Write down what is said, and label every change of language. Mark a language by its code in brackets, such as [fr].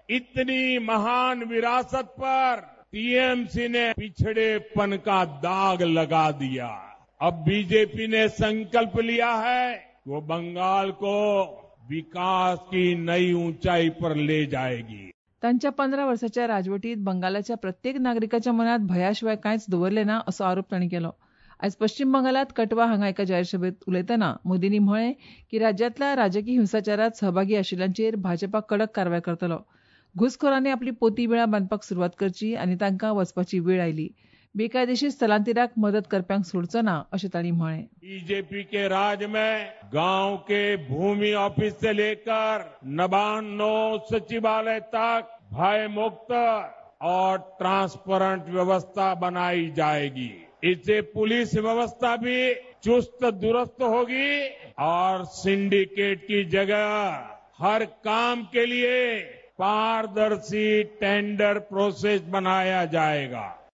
[hi] इतनी महान विरासत पर टीएमसी ने पिछड़ेपन का दाग लगा दिया. अब बीजेपी ने संकल्प लिया है वो बंगाल को विकास की नई ऊंचाई पर ले जाएगी. [kok] त्यांच्या 15 वर्षाच्या राजवटीत बंगालच्या प्रत्येक नागरिकाच्या मनात भयाशिवाय कायच दवरले ना असा आरोप त्यांनी केलो. आज पश्चिम बंगालात कटवा हांगा एका जाहीर सभेत उलयताना मोदींनी म्हळें की राज्यातल्या राजकीय हिंसाचारात सहभागी आशिल्ल्यांचेर भाजपा कडक कारवाय करतलो. घुसखोरांनी आपली पोती बिळा बांदपाक सुरवात करची आनी तांकां वचपाची वेळ आयली. बेकायदेशीर स्थलांतराक मदत करप्यांक सोडचो ना अशें तांणी म्हळें. [hi] बीजेपी के राज में गांव के भूमि ऑफिस से लेकर नबान्नो सचिवालय तक भय मुक्त और ट्रांसपेरेंट व्यवस्था बनाई जाएगी. इससे पुलिस व्यवस्था भी चुस्त दुरुस्त होगी और सिंडिकेट की जगह हर काम के लिए पारदर्शी टेंडर प्रोसेस बनाया जाएगा.